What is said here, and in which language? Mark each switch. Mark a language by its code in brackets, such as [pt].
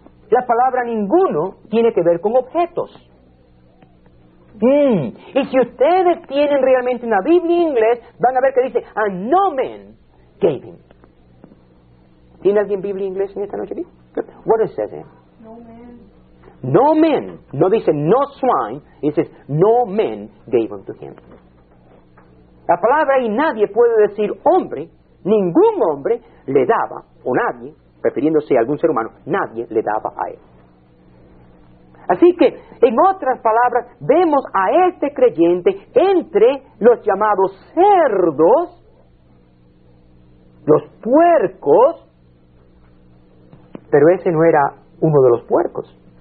[es] La palabra ninguno tiene que ver con objetos. Y si ustedes tienen realmente una Biblia en inglés, van a ver que dice, [en] a no man gave him. [es] ¿Tiene alguien Biblia en inglés en esta noche? [en] What is that? No men, [es] no dice [en] no swine, [es] dice [en] no men gave unto him. [es] La palabra y nadie puede decir hombre, ningún hombre le daba, o nadie, refiriéndose a algún ser humano, nadie le daba a él. Así que, en otras palabras, vemos a este creyente entre los llamados cerdos, los puercos, pero ese no era uno de los puercos.